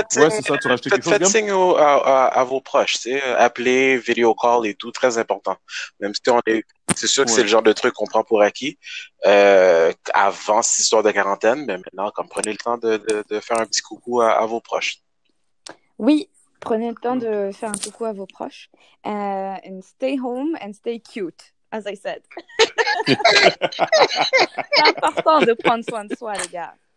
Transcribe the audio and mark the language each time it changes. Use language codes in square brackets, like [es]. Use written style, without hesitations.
[fr] faites signe à vos proches, tu sais, appeler, vidéo call et tout, très important. Même si c'est sûr que c'est le genre de truc qu'on prend pour acquis, avant cette histoire de quarantaine, mais maintenant, comme prenez le temps de faire un petit coucou à vos proches. Oui, prenez le temps de faire un coucou à vos proches. [en] And stay home and stay cute, as I said. [fr] C'est important de prendre soin de soi, les gars.